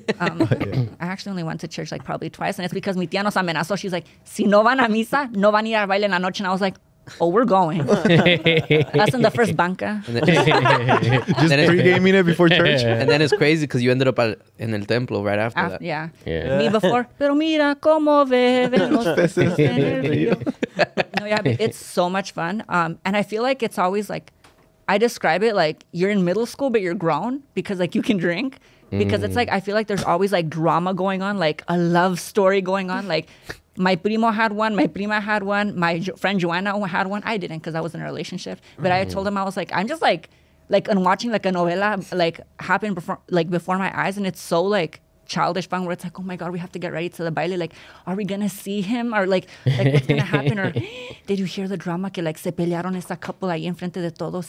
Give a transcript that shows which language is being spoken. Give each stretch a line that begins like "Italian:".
English: I actually only went to church like probably twice, and it's because
Spanish: mi tía nos amenazó.
English: She's like,
Spanish: si no van a misa, no van a ir a baile en la noche.
English: And I was like, oh, we're going. That's in the first banca. Just pre-gaming it before church. And then it's crazy because you ended up in el templo right after that. Yeah. Me before.
Spanish: Pero mira cómo bebe los peces en el río.
English: No, yeah, but it's so much fun. And I feel like it's always like, I describe it like you're in middle school, but you're grown because like you can drink. Because it's like, I feel like there's always like drama going on, like a love story going on. Like, my primo had one, my prima had one, my friend Joanna had one. I didn't because I was in a relationship. But I told him, I was like, I'm just like and watching like a novela like happen before my eyes. And it's so like childish fun where it's like, oh my God, we have to get ready to the baile. Like, are we going to see him? Or like what's going to happen? Or did you hear the drama?
Spanish: Que like se pelearon esa couple ahí en frente de todos.